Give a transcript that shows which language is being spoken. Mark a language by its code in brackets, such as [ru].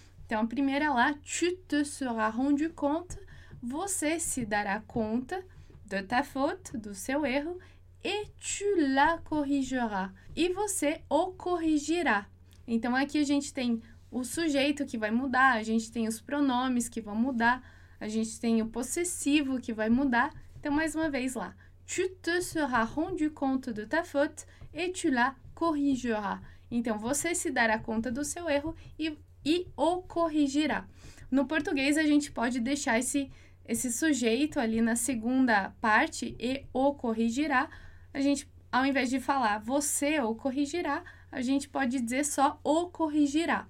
[pt] Então, a primeira lá, [fr] tu te seras rendu compte, [pt] você se dará conta [fr] de ta faute, [pt] do seu erro, [fr] et tu la corrigeras. [pt] E você o corrigirá. Então, aqui a gente tem o sujeito que vai mudar, a gente tem os pronomes que vão mudar, a gente tem o possessivo que vai mudar. Então, mais uma vez lá. [fr] Tu te seras rendu compte de ta faute et tu la corrigeras. [pt] Então, você se dará conta do seu erro e o corrigirá. No português, a gente pode deixar esse sujeito ali na segunda parte e o corrigirá. A gente, ao invés de falar você o corrigirá, a gente pode dizer só o corrigirá.